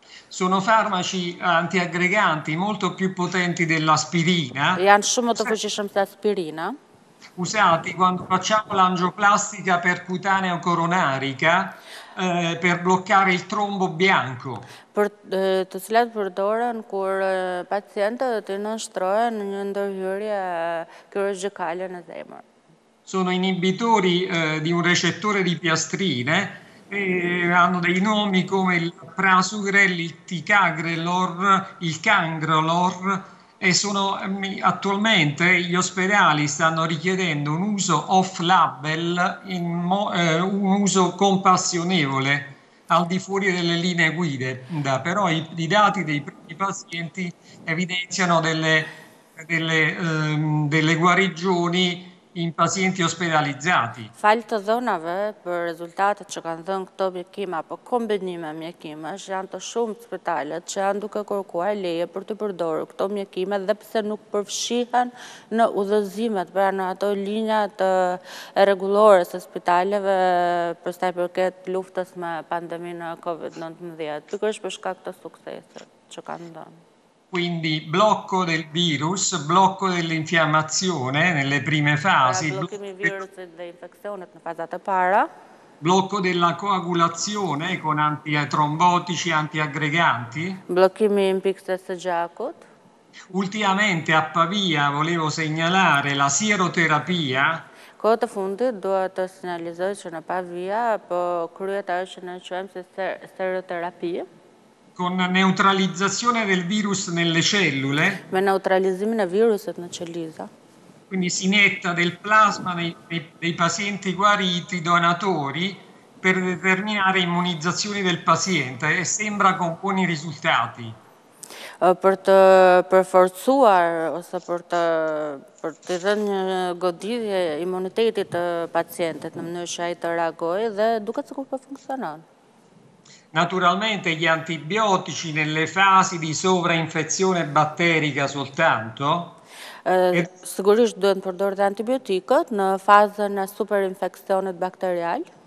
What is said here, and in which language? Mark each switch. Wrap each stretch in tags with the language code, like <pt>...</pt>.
<it>Sono farmaci antiaggreganti molto più potenti dell'aspirina,</it> <sq>Janë shumë të fuqishëm se aspirina.</sq> <it>usati quando facciamo l'angioplastica percutanea o coronarica, per bloccare il trombo bianco.</it> <sq>Për të cilat përdoren kur pacientët i nënshtrohen në një ndërhyrje kirurgjikale në zemër.</sq> <it>Sono inibitori, di un recettore di piastrine. E hanno dei nomi come il Prasugrel, il Ticagrelor, il Cangrelor e sono attualmente gli ospedali stanno richiedendo un uso off-label, un uso compassionevole al di fuori delle linee guida, però i dati dei primi pazienti evidenziano delle guarigioni in pazienti ospedalizzati.</it> <sq>Falë të dhënave për rezultatet që kanë dhënë këto mjekime apo kombinime mjekime, që janë të shumë spitalet që janë duke kërkuar leje për të përdorur këto mjekime dhe pse nuk përfshihen në udhëzimet, pra në ato linjat e rregullore të spitaleve për sa i përket luftës me pandeminë COVID-19, pikërisht për shkak të suksesit që kanë dhënë.</sq> <it>Quindi blocco del virus, blocco dell'infiammazione nelle prime fasi,</it> <sq>Pra bllokimi virusit dhe infekcionet në fazat e para.</sq> <it>blocco della coagulazione con antitrombotici, antiaggreganti.</it> <sq>Bllokimi in pikëse së gjakut.</sq> <it>Ultimamente a Pavia volevo segnalare la sieroterapia.</it> <sq>Kohë të fundit dua të sinjalizoj që në Pavia po kryet ajo që ne quajmë si seroterapi.</sq> <it>Con neutralizzazione del virus nelle cellule,</it> <sq>Me neutralizimin e viruset në qeliza.</sq> <it>quindi si inietta del plasma dei pazienti guariti, donatori, per determinare immunizzazioni del paziente e sembra con buoni risultati.</it> <sq>Për të përforcuar ose për të dhënë një godinë imunitetit të pacientit në mënyrë që ai të reagojë dhe duket sikur po funksionon.</sq> <it>Naturalmente gli antibiotici nelle fasi di sovrainfezione batterica soltanto.</it> <sq>Sigurisht duhet të përdorë dhe antibiotikët në fazën e superinfekcionit bakterial.</sq>